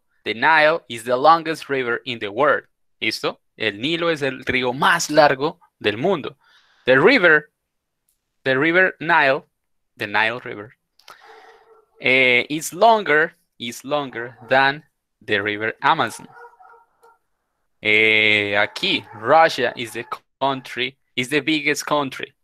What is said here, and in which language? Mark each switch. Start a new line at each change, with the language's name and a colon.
English: The Nile is the longest river in the world.
Spanish: ¿Listo? El Nilo es el río más largo del mundo.
English: The Nile River, is longer than the river Amazon.
Spanish: Aquí,
English: Russia is the country, is the biggest country.